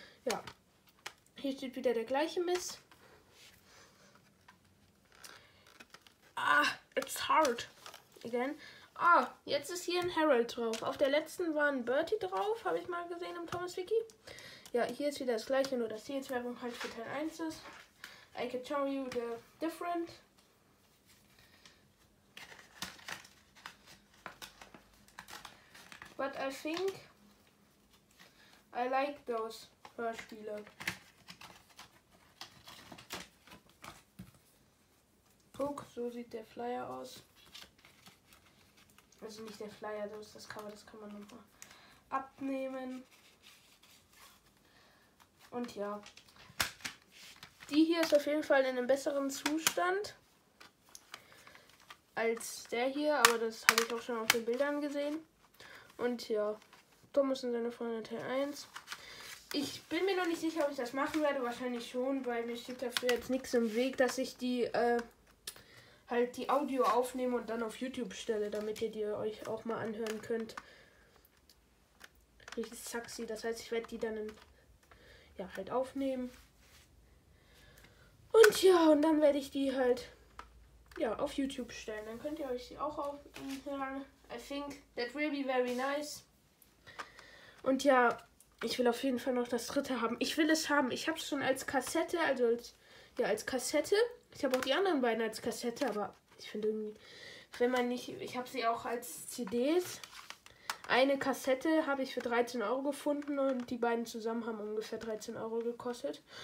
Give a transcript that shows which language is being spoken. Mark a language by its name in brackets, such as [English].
[German] Ja, hier steht wieder der gleiche Mist. Ah, [English] it's hard. Again. [German] Ah, jetzt ist hier ein Harold drauf. Auf der letzten war ein Bertie drauf, habe ich mal gesehen im Thomas Wiki. Ja, hier ist wieder das gleiche, nur dass hier jetzt Werbung halt für Teil 1 ist. [English] I can show you the different. But I think I like those Hörspiele. [German] Guck, so sieht der Flyer aus. Also nicht der Flyer, das kann man nochmal abnehmen. Und ja. Die hier ist auf jeden Fall in einem besseren Zustand als der hier, aber das habe ich auch schon auf den Bildern gesehen. Und ja, Thomas und seine Freunde Teil 1. Ich bin mir noch nicht sicher, ob ich das machen werde. Wahrscheinlich schon, weil mir steht dafür jetzt nichts im Weg, dass ich die halt die Audio aufnehmen und dann auf YouTube stelle, damit ihr die euch auch mal anhören könnt. Richtig sexy. Das heißt, ich werde die dann halt aufnehmen. Und ja, und dann werde ich die halt ja, auf YouTube stellen. Dann könnt ihr euch sie auch anhören. [English] I think that will be very nice. [German] Und ja, ich will auf jeden Fall noch das dritte haben. Ich will es haben. Ich habe es schon als Kassette, also als, ja, als Kassette. Ich habe auch die anderen beiden als Kassette, aber ich finde irgendwie, wenn man nicht, ich habe sie auch als CDs. Eine Kassette habe ich für 13 Euro gefunden und die beiden zusammen haben ungefähr 13 Euro gekostet.